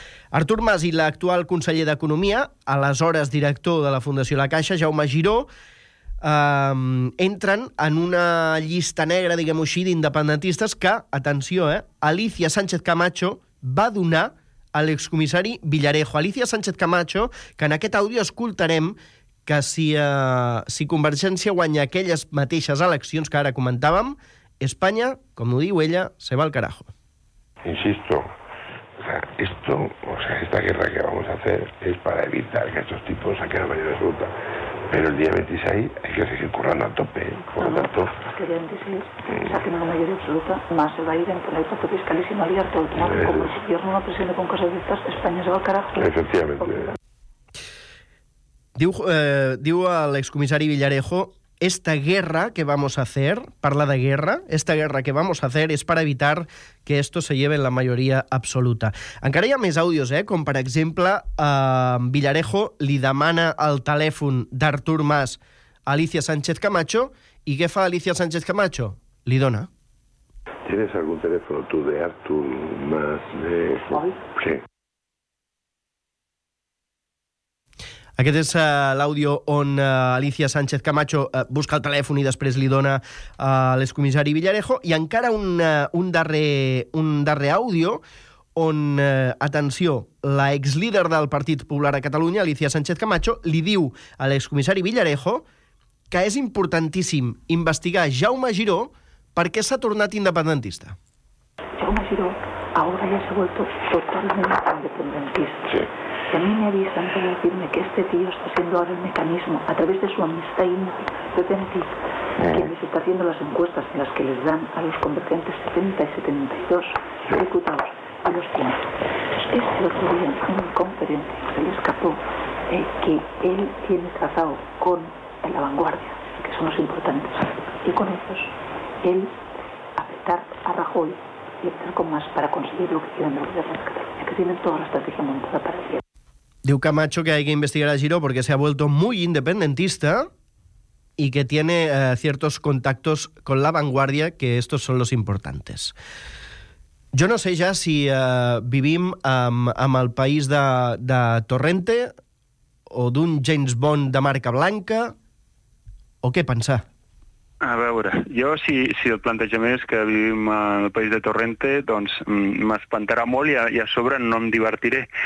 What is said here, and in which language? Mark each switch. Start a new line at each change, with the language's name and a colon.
Catalan: Artur Mas i l'actual conseller d'Economia, aleshores director de la Fundació La Caixa, Jaume Giró, entren en una llista negra, diguem-ho així, d'independentistes que, atenció, Alicia Sánchez Camacho va donar a l'excomissari Villarejo. Alicia Sánchez Camacho, que en aquest àudio escoltarem que si Convergència guanya aquelles mateixes eleccions que ara comentàvem, Espanya, com ho diu ella,
Spanish: se va al carajo. Insisto, esta guerra que vamos a hacer es para evitar que estos tipos saquen la mayoría de absoluta. Pero el día 26 hay que seguir currando a tope, por lo tanto... Es que el día 26 saquen la mayoría absoluta, más se va a ir a imponer tanto fiscalísimo al IARTO automático, como si hubiera una presión con cosas dictas, España se va al carajo. Efectivamente.
Catalan: Diu l'excomissari Villarejo,
Spanish: esta guerra que vamos a hacer,
Catalan: parla de guerra,
Spanish: esta guerra que vamos a hacer es para evitar que esto se lleve en la mayoría absoluta.
Catalan: Encara hi ha més àudios, com per exemple, Villarejo li demana el telèfon d'Artur Mas a Alicia Sánchez Camacho, i què fa Alicia Sánchez Camacho? Li dona.
Spanish: ¿Tienes algún teléfono tú de Artur Mas? ¿Oye? Sí.
Catalan: Aquest és l'àudio on Alicia Sánchez Camacho busca el telèfon i després li dona a l'excomissari Villarejo. I encara un darrer àudio on, atenció, la exlíder del Partit Popular a Catalunya, Alicia Sánchez Camacho, li diu a l'excomissari Villarejo que és importantíssim investigar Jaume Giró perquè s'ha tornat independentista.
Spanish: Jaume Giró ahora ya se ha vuelto totalmente independentista. Sí. Y a mí me avisan para decirme que este tío está siendo ahora el mecanismo, a través de su amistad independentista, que les está haciendo las encuestas en las que les dan a los convergentes 70 y 72 diputados a los 100. Este otro día en una conferencia se le escapó que él tiene trazado con La Vanguardia, que son los importantes, y con ellos él apretar a Rajoy y apretar con Más para conseguir lo que quieren de la guerra de Cataluña, que tienen toda la estrategia montada para el cielo.
Catalan: Diu Camacho que
Spanish: hay que investigar a Giró porque se ha vuelto muy independentista y que tiene ciertos contactos con La Vanguardia, que estos son los importantes.
Catalan: Jo no sé ja si vivim amb el país de Torrente o d'un James Bond de marca blanca, o què pensar? A veure, jo si el plantejament és que vivim al país de Torrente, doncs m'espantarà molt i a sobre no em divertiré.